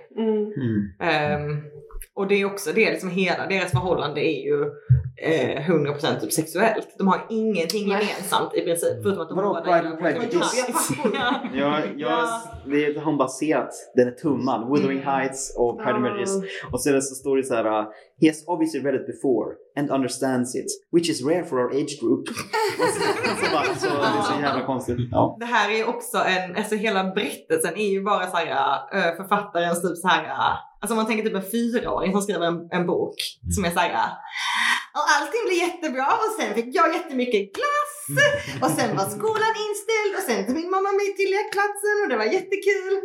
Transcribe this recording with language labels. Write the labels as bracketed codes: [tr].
[sv] Mm. Och det är också det liksom hela deras förhållande är ju 100% typ sexuellt. De har ingenting gemensamt i princip förutom att de bara det har baserat den är tumman Wuthering Heights och Pride and Prejudice. Och sen så står det så här: [en] he has obviously read it before and understands it, which is rare for our age group. [sv] Så det är så jävla konstigt. Ja. Det här är också en alltså hela berättelsen är ju bara så här författarens typ så här. Alltså man tänker typ en 4-åring som skriver en bok som är såhär och allting blir jättebra och sen fick jag jättemycket glass och sen var skolan inställd och sen tog min mamma med till lekplatsen och det var jättekul.